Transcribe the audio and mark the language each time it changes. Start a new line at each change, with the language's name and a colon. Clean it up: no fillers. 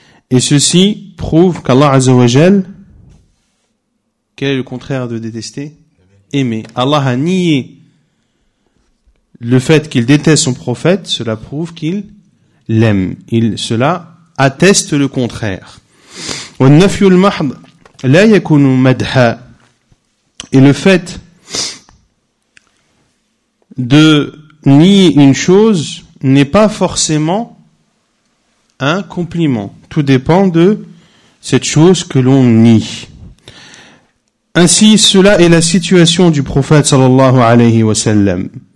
French: Et ceci prouve qu'Allah Azza wa Jal, quel est le contraire de détester ? Aimer. Allah a nié le fait qu'il déteste son prophète, cela prouve qu'il l'aime. Cela atteste le contraire.
Arabic: والنفي المحض لا يكون مدحا.
French: Et le fait de nier une chose n'est pas forcément un compliment. Tout dépend de cette chose que l'on nie. Ainsi, cela est la situation du prophète sallallahu alayhi wa sallam.